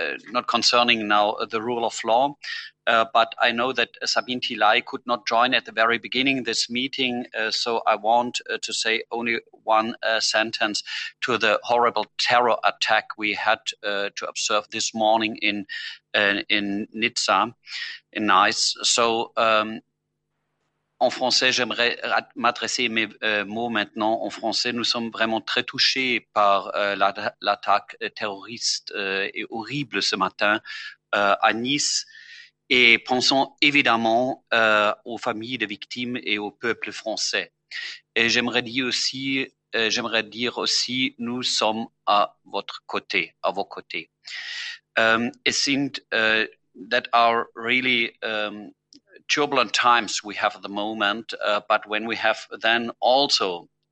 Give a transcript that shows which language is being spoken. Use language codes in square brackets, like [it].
[en] Not concerning now the rule of law, but I know that Sabine Thilai could not join at the very beginning this meeting, so I want to say only one sentence to the horrible terror attack we had to observe this morning in Nizza, in Nice. [fr] So, en français, j'aimerais m'adresser mes mots maintenant en français. Nous sommes vraiment très touchés par l'attaque terroriste et horrible ce matin à Nice et pensons évidemment aux familles des victimes et au peuple français. Et j'aimerais dire aussi, nous sommes à votre côté, à vos côtés. [en] It seemed that are really turbulent times we have at the moment, but when we have then also